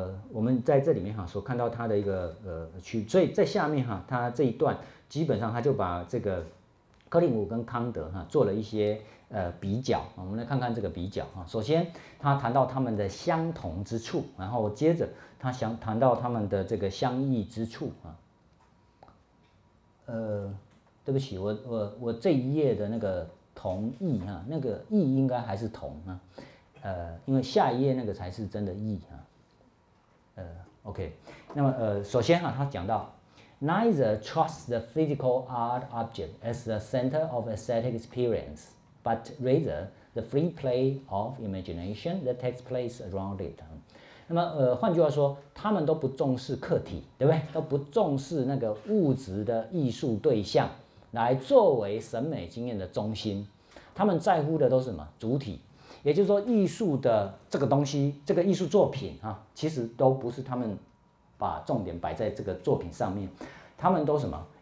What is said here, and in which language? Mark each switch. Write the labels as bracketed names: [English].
[Chinese] 我们在这里面所看到他的一个区，所以在下面他这一段基本上他就把这个柯林伍跟康德做了一些比较，我们来看看这个比较，首先他谈到他们的相同之处，然后接着他想谈到他们的这个相异之处。对不起， 我这一页的那个同异，那个异应该还是同，因为下一页那个才是真的异。 [English] OK， [Chinese] 那么首先他讲到 [English] Neither trusts the physical art object as the center of aesthetic experience, but rather the free play of imagination that takes place around it. [Chinese] 那么换句话说，他们都不重视客体，对不对？都不重视那个物质的艺术对象来作为审美经验的中心，他们在乎的都是什么？主体。也就是说，艺术的这个东西，这个艺术作品其实都不是他们把重点摆在这个作品上面，他们都什么？